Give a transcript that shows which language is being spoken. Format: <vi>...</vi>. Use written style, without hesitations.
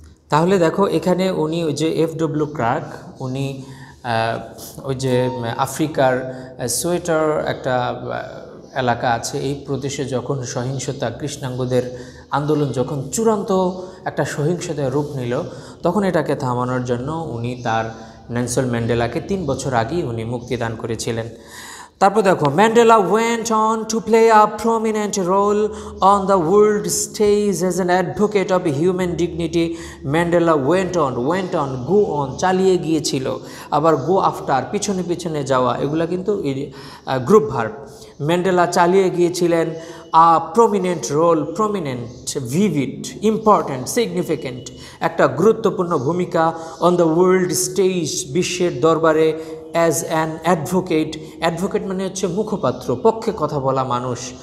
<bn>তাহলে দেখো এখানে উনি ওই যে এফ ডব্লিউ ক্লার্ক, উনি ওই যে আফ্রিকার সোয়েটার একটা এলাকা আছে, এই প্রদেশে যখন সহিংসতা, কৃষ্ণাঙ্গদের আন্দোলন যখন চূড়ান্ত একটা সহিংসতার রূপ নিল, তখন এটাকে থামানোর জন্য উনি তার নেলসন ম্যান্ডেলাকে 3 বছর আগেই উনি মুক্তিদান করেছিলেন। তারপর দেখো</bn> <en>Mandela went on to play a prominent role on the world stage as an advocate of human dignity. Mandela went on, go on,</en> <bn>চালিয়ে গিয়েছিল, আবার</bn> <en>go after,</en> <bn>পিছনে পিছনে যাওয়া, এগুলো কিন্তু গ্রুপ ভার্ব।</bn> <en>Mandela</en> <bn>চালিয়ে গিয়েছিলেন</bn> <en>a prominent role, prominent, vivid, important, significant,</en> <bn>একটা গুরুত্বপূর্ণ ভূমিকা</bn> <en>on the world stage,</en> <bn>বিশ্বের দরবারে,</bn> <en>as an advocate, advocate</en> <bn>মানে হচ্ছে মুখপাত্র, পক্ষে কথা বলা মানুষ,</bn>